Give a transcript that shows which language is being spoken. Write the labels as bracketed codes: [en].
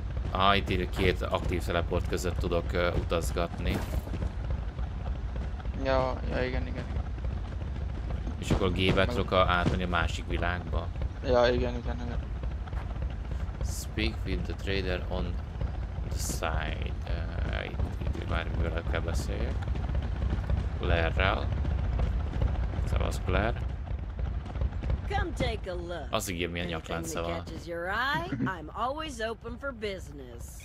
[hu] Ah, itt így két aktív teleport között tudok utazgatni. Ja, igen. És akkor gépet tudok átmenni a másik világba. Ja, igen. [en] Speak with the trader on the side. [hu] Itt már mivel kell beszéljek. Blairrel. Szevasz, Blair. [en] Come take a look. [hu] Az igen, milyen nyaklánca van. [en] I'm always open for business.